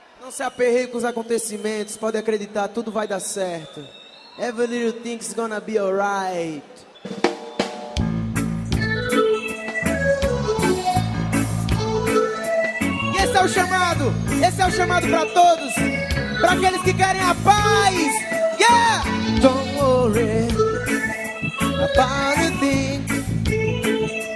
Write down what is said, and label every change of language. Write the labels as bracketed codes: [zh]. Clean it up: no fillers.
[pt] Se aperrei com os acontecimentos, pode acreditar, tudo vai dar certo. [en] Every little thing's gonna be alright. [pt] Esse é o chamado pra todos, pra aqueles que querem a paz. Yeah! [en] Don't worry about a thing.